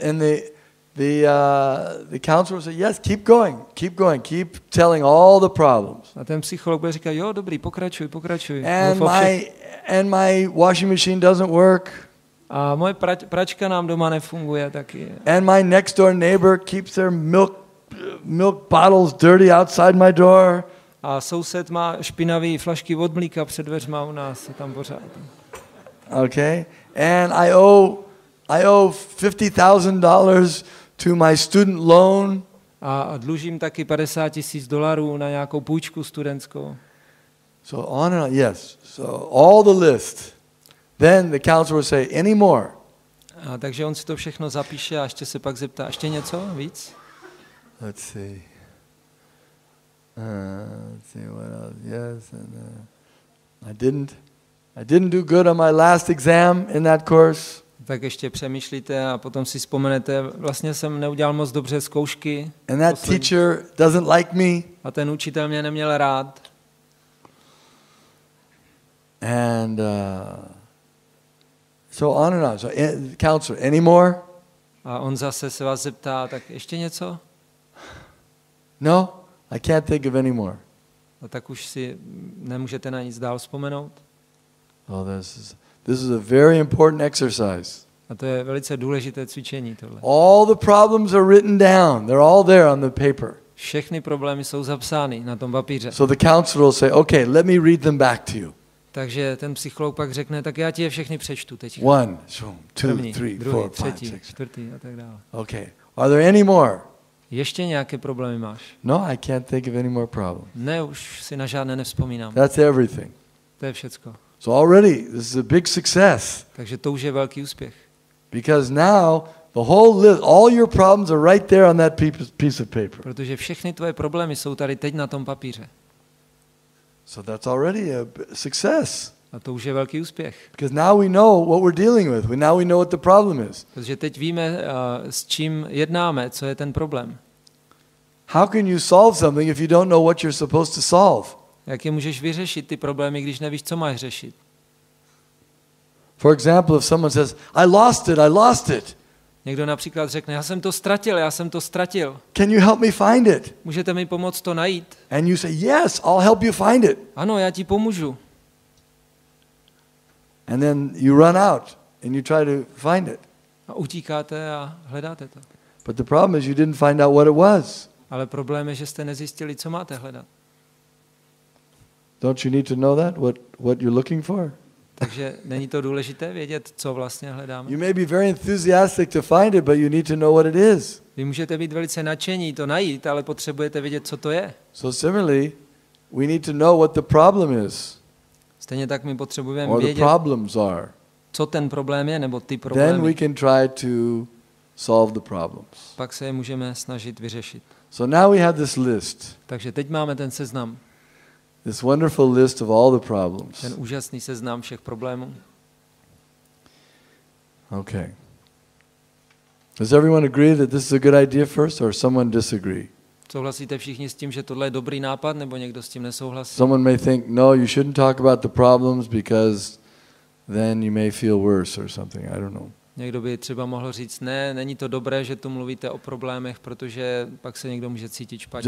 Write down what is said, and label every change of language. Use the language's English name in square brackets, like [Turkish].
[English] And the counselor said, "Yes, keep going, keep going, keep telling all the problems." [Czech] A ten psycholog bude říkat, jo, dobrý, pokračuj, pokračuj. [English] And my washing machine doesn't work. [Czech] A moje pračka nám doma nefunguje taky. [English] And my next door neighbor keeps their milk bottles dirty outside my door. [Czech] A soused má špinavé flašky od mlíka před dveřma u nás, tam pořád. [English] Okay, and I owe $50,000 to my student loan. [Czech] A dlužím taky $50,000 na nějakou půjčku studentskou. [English] So on and on, yes. So all the list. Then the counselor will say, any more? [Czech] A takže on si to všechno zapíše a ještě se pak zeptá, ještě něco víc? [English] Let's see what else. Yes, and I didn't do good on my last exam in that course. [Czech] Tak ještě přemýšlíte a potom si vzpomenete, vlastně jsem neudělal moc dobře zkoušky. [English] And that teacher doesn't like me. [Czech] A ten učitel mě neměl rád. [English] And so on and on. So counselor, any more? [Czech] A on zase se vás zeptá, tak ještě něco? [English] No, I can't think of any more. [Czech] A tak už si nemůžete na nic dál vzpomenout? [English] Well, this is a very important exercise. [Czech] A to je velice důležité cvičení tohle. [English] All the problems are written down. They're all there on the paper. [Czech] Všechny problémy jsou zapsány na tom papíře. [English] So the counselor will say, "Okay, let me read them back to you." [Czech] Takže ten psycholog pak řekne, tak já ti je všechny přečtu teď. [English] One, two, three, four, five, six, [Czech] a tak dále. [English] Okay. Are there any more? [Czech] Ještě nějaké problémy máš? [English] No, I can't think of any more problems. [Czech] Ne, už si na žádné nevzpomínám. [English] That's everything. [Czech] To je všecko. [English] So already this is a big success. [Czech] Takže to už je velký úspěch. [English] Because now the whole list, all your problems are right there on that piece of paper. [Czech] Protože všechny tvoje problémy jsou tady teď na tom papíře. [English] So that's already a success. [Czech] A to už je velký úspěch. [English] Because now we know what we're dealing with. Now we know what the problem is. [Czech] Protože teď víme, s čím jednáme, co je ten problém. [English] How can you solve something if you don't know what you're supposed to solve? [Czech] Jak je můžeš vyřešit ty problémy, když nevíš, co máš řešit? [English] For example, if someone says, "I lost it, I lost it." [Czech] Někdo například řekne, "Já jsem to ztratil, já jsem to ztratil." [English] Can you help me find it? [Czech] Můžete mi pomoct to najít? [English] And you say, "Yes, I'll help you find it." [Czech] Ano, já ti pomůžu. [English] And then you run out and you try to find it. [Czech] A utíkáte a hledáte to. [English] But the problem is you didn't find out what it was. [Czech] Ale problém je, že jste nezjistili, co máte hledat. [English] Don't you need to know that what you're looking for? [Czech] Takže není to důležité vědět, co vlastně hledáme? [English] You may be very enthusiastic to find it, but you need to know what it is. [Czech] Vy můžete být velice nadšení to najít, ale potřebujete vědět, co to je. [English] So similarly, we need to know what the problem is. [Czech] Stejně tak my potřebujeme vědět. [English] What the problems are. [Czech] Co ten problém je nebo ty problémy? [English] Then we can try to solve the problems. [Czech] Pak se je můžeme snažit vyřešit. [English] So now we have this list. [Czech] Takže teď máme ten seznam. [English] This wonderful list of all the problems. [Czech] Ten úžasný seznam všech problémů. [English] Okay. Does everyone agree that this is a good idea first, or someone disagree? [Czech] Souhlasíte všichni s tím, že tohle je dobrý nápad, nebo někdo s tím nesouhlasí? [English] Someone may think, no, you shouldn't talk about the problems because then you may feel worse or something. I don't know. [Czech] Někdo by třeba mohl říct, ne, není to dobré, že tu mluvíte o problémech, protože pak se někdo může cítit špatně.